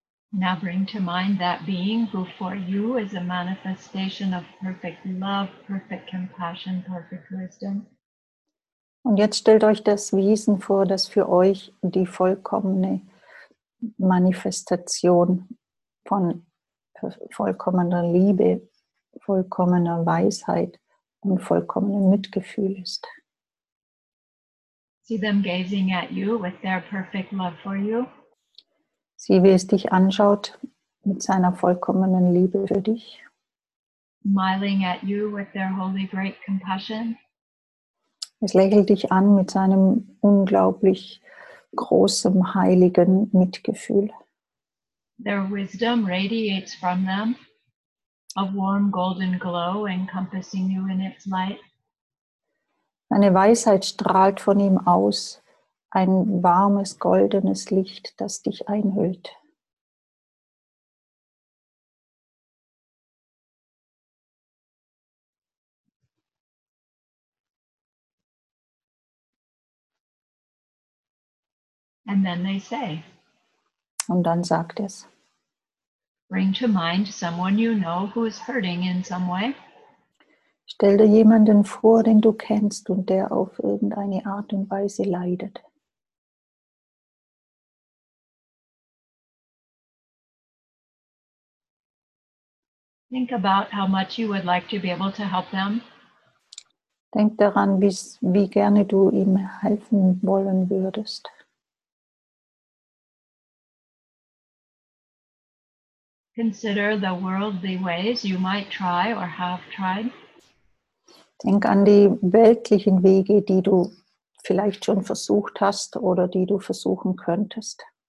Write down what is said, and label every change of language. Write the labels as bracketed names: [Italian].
[English] Now bring to mind that being who for you is a manifestation of perfect love, perfect compassion, perfect wisdom. [German] Und jetzt stellt euch das Wesen vor, das für euch die vollkommene Manifestation von vollkommener Liebe, vollkommener Weisheit und vollkommenem Mitgefühl ist. [English] See them gazing at you with their perfect love for you. [German] Sieh, wie es dich anschaut mit seiner vollkommenen Liebe für dich. [English] Smiling at you with their holy great compassion. [German] Es lächelt dich an mit seinem unglaublich großen, heiligen Mitgefühl. [English] Their wisdom radiates from them, a warm golden glow encompassing you in its light. [German] Deine Weisheit strahlt von ihm aus. Ein warmes, goldenes Licht, das dich einhüllt. [English] And then they say, [German] und dann sagt es, [English] bring to mind someone you know who is hurting in some way. [German] Stell dir jemanden vor, den du kennst und der auf irgendeine Art und Weise leidet. [English] Think about how much you would like to be able to help them. [German] Denk daran, wie gerne du ihm helfen wollen würdest. [English] Consider the worldly ways you might try or have tried. [German] Denk an die weltlichen Wege, die du vielleicht schon versucht hast oder die du versuchen könntest.